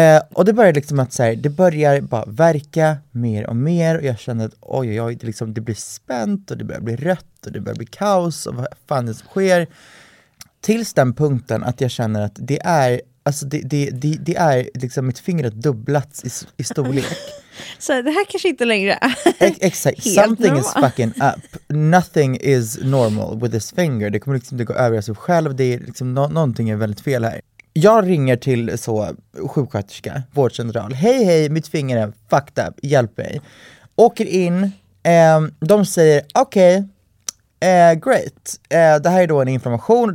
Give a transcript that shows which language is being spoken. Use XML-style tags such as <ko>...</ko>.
<sv>Och det börjar liksom att så här, det börjar bara verka mer och mer, och jag känner att oj, oj, oj, det liksom, det blir spänt och det börjar bli rött och det börjar bli kaos och vad fan det som sker. Tills den punkten att jag känner att det är, alltså det är liksom mitt finger har dubblats i storlek. Så det här kanske inte längre exakt.</sv> <en>Something normal. Is fucking up. Nothing is normal with this finger.</en> <sv>Det kommer liksom inte gå över sig själv. Det är liksom, någonting är väldigt fel här. Jag ringer till så sjuksköterska, vårdcentral. Hej, hej, mitt finger är</sv> <en>fucked up.</en> <sv>Hjälp mig. Åker in. De säger, okej,</sv> <en>okay, great.</en> <sv>Det här är då en inflammation.</sv>